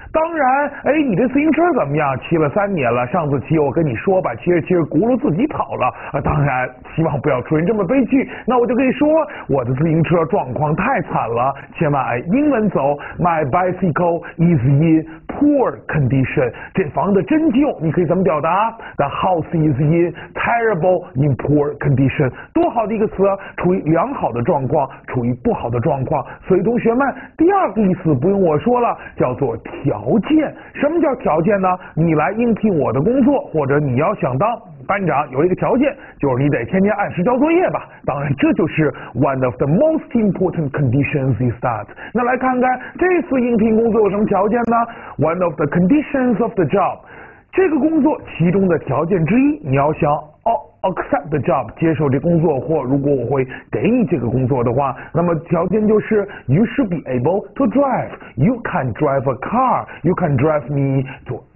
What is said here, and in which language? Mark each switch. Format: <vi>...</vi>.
<zh>当然，哎，你这自行车怎么样？骑了3年了，上次骑我跟你说吧，骑着骑着轱辘自己跑了，当然希望不要出现这么悲剧。那我就可以说我的自行车状况太惨了，千万英文走</zh> <en>My bicycle is in poor condition。</en> <zh>这房子真旧，你可以怎么表达？</zh> <en>The house is in terrible in poor condition。</en> <zh>多好的一个词，处于良好的状况，处于不好的状况。所以同学们，第二个意思不用我说了，叫做条件。什么叫条件呢？你来应聘我的工作，或者你要想当班长，有一个条件，就是你得天天按时交作业吧。当然这就是</zh> <en>one of the most important conditions is that。</en> <zh>那来看看这次应聘工作有什么条件呢？</zh> <en>one of the conditions of the job，</en> <zh>这个工作其中的条件之一，你要想</zh> <en>accept the job，</en> <zh>接受这工作，或如果我会给你这个工作的话，那么条件就是</zh> <en>you should be able to drive， you can drive a car， you can drive me to</en>